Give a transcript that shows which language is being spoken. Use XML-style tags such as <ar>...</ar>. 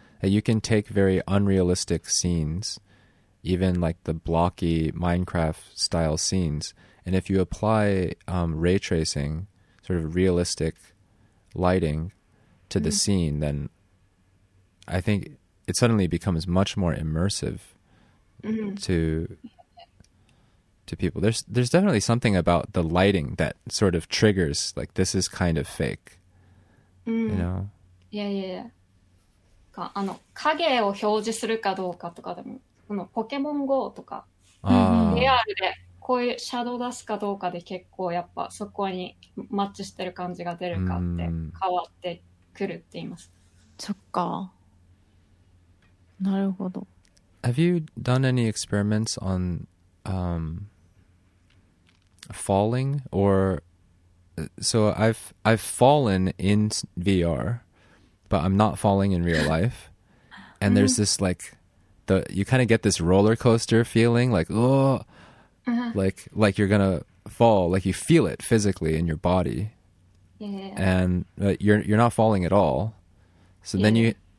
<en>You can take very unrealistic scenes, even like the blocky Minecraft-style scenes, and if you apply ray tracing, sort of realistic lighting, to the scene, then I think it suddenly becomes much more immersive to people. There's definitely something about the lighting that sort of triggers, like, this is kind of fake. You know? Yeah.</en> <ja>か、あの、影を表示するかどうかとかでも、このポケモン GO とか、AR でこういうシャドウ出すかどうかで結構やっぱそこにマッチしてる感じが出るかって変わってくるって言います。そっか。なるほど。</ja> <en>Have you done any experiments on falling, or so I've fallen in VR, but I'm not falling in real life. And there's this like the you kind of get this roller coaster feeling, like like you're gonna fall, like you feel it physically in your body, and you're not falling at all. So then you</en>